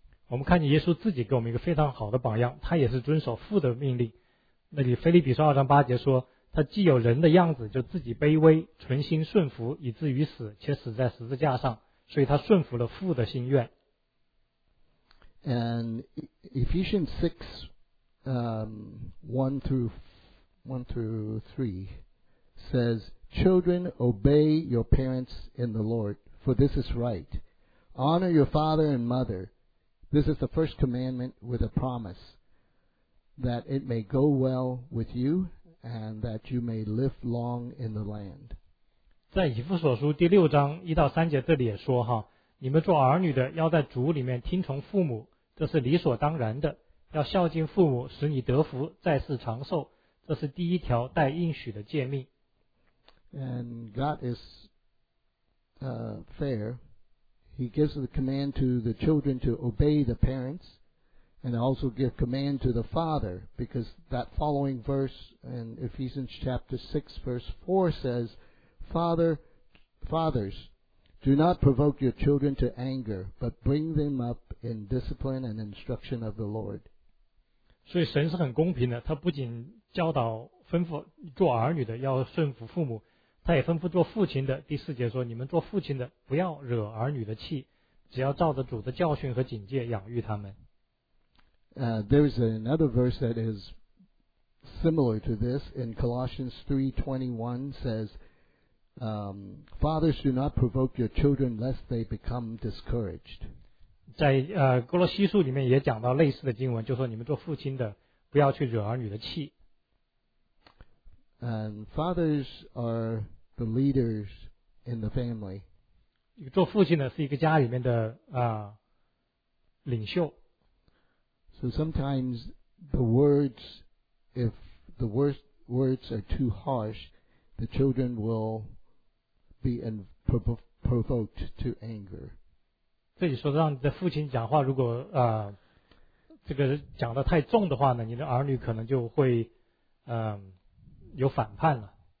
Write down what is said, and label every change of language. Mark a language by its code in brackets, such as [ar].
[zh] 我们看见耶稣自己给我们一个非常好的榜样，他也是遵守父的命令。那里腓立比书2:8说，他既有人的样子，就自己卑微，存心顺服，以至于死，且死在十字架上，所以他顺服了父的心愿。 [en] And Ephesians 6, 1 through 3 says, children, obey your parents in the Lord, for this is right. Honor your father and mother. This is the first commandment with a promise, that it may go well with you and that you may live long in the land. [zh] 在以弗所书6:1-3这里也说哈，你们做儿女的要在主里面听从父母，这是理所当然的，要孝敬父母，使你得福，在世长寿，这是第一条带应许的诫命。 [en] And God is fair. He gives the command to the children to obey the parents, and also give command to the father, because that following verse in Ephesians chapter 6 verse 4 says, Fathers, do not provoke your children to anger, but bring them up in discipline and instruction of the Lord. [zh] 所以神是很公平的，他不仅教导吩咐做儿女的要顺服父母，他也吩咐做父亲的，第四节说，你们做父亲的不要惹儿女的气，只要照着主的教训和警戒养育他们。 [en] There is another verse that is similar to this in Colossians 3:21 says, Fathers, do not provoke your children lest they become discouraged. [zh] 在哥罗西书里面也讲到类似的经文，就说你们做父亲的不要去惹儿女的气。 [en] And fathers are the leaders in the family. [zh] 做父亲的是一个家里面的领袖。 [en] So sometimes the words, if the words are too harsh, the children will be provoked to anger. [zh] 这里说让你的父亲讲话，如果这个讲得太重的话呢，你的儿女可能就会有反叛了。